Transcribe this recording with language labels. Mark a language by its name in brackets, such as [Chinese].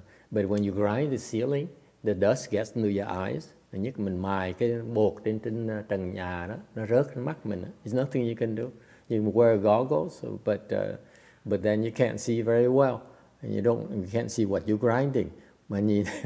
[English] But when you grind the ceiling, the dust gets into your eyes. [Vietnamese] Nhất mình mài cái bột trên trần nhà đó, nó rớt nó mắt mình. [English] It's nothing you can do. You can wear goggles, but then you can't see very well. And you can't see what you're grinding. [Vietnamese] Mà nhìn.